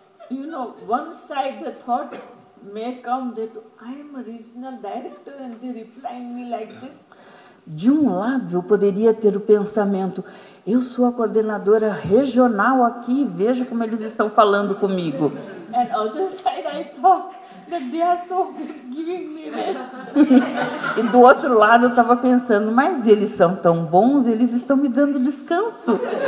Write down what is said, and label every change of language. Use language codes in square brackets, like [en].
[en] You know, one side the thought may come that I am a regional director and they reply me like this. [pt] De um lado, eu poderia ter o pensamento, eu sou a coordenadora regional aqui, veja como eles estão falando comigo. [en] And other side I thought that they are so giving me rest. [pt] E do outro lado, eu estava pensando, mas eles são tão bons, eles estão me dando descanso.